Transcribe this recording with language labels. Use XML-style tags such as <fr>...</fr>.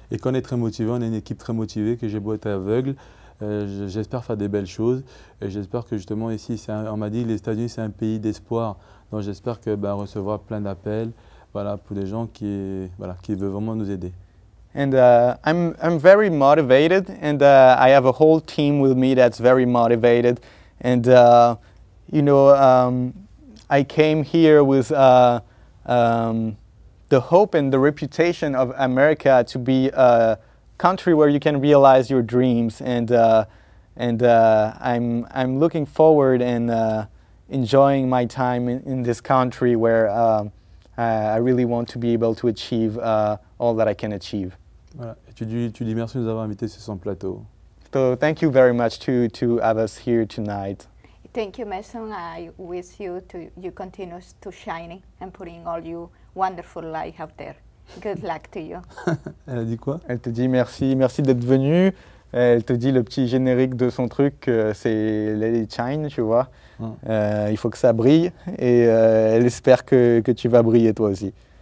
<fr>Et qu'on est très motivé, on est une équipe très motivée, que j'ai beau être aveugle, j'espère faire des belles choses. Et j'espère que justement ici, on m'a dit, les États-Unis c'est un pays d'espoir. Donc j'espère que ben, recevoir plein d'appels, voilà, pour des gens qui voilà qui veulent vraiment nous aider.</fr> <en>And I'm very motivated, and I have a whole team with me that's very motivated, and you know, I came here with the hope and the reputation of America to be a country where you can realize your dreams, I'm looking forward and enjoying my time in this country where I really want to be able to achieve all that I can achieve.</en> <fr>Voilà. Et tu dis merci de nous avoir invités sur son plateau.</fr> <en>So thank you very much to have us here tonight. Thank you, Mason. I wish you continue to shine and putting all your wonderful light out there. Good luck to you.</en> <fr>Elle a dit quoi? Elle te dit merci d'être venue. Elle te dit le petit générique de son truc, c'est Lady Shine, tu vois. Il faut que ça brille et elle espère que tu vas briller toi aussi.</fr>